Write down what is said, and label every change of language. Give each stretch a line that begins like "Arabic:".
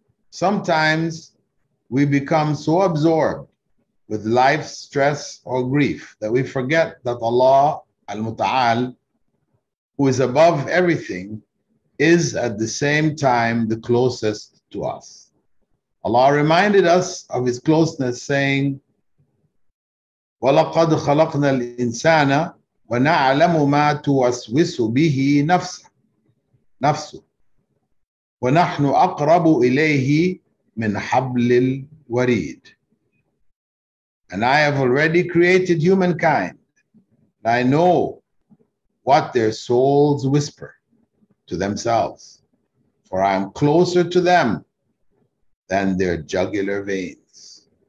English: Sometimes we become so absorbed with life's stress or grief that we forget that Allah al-Muta'al, who is above everything, is at the same time the closest to us. Allah reminded us of his closeness, saying,
Arabic: وَلَقَدْ خَلَقْنَا الْإِنسَانَ وَنَعْلَمُ مَا تُوَسْوِسُ بِهِ نَفْسُ وَنَحْنُ أَقْرَبُ إِلَيْهِ مِنْ حَبْلِ الْوَرِيدِ.
English: And I have already created humankind, and I know what their souls whisper to themselves, for I am closer to them than their jugular veins.